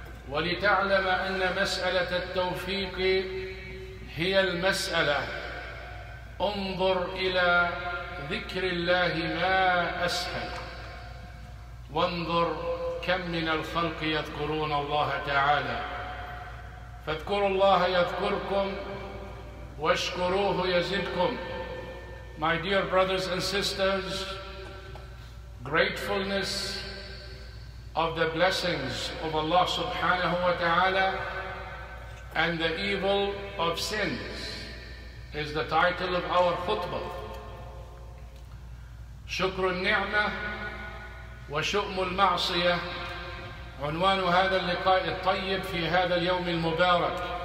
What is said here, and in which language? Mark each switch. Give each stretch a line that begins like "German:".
Arabic: ولتعلم أن مسألة التوفيق هي المسألة، انظر إلى ذكر الله ما أسهل، وانظر كم من الخلق يذكرون الله تعالى. فاذكروا الله يذكركم واشكروه يزدكم.
English: My dear brothers and sisters, gratefulness of the blessings of Allah subhanahu wa ta'ala and the evil of sins is the title of our khutbah.
Arabic: شكر النعمة وشؤم المعصية عنوان هذا اللقاء الطيب في هذا اليوم المبارك.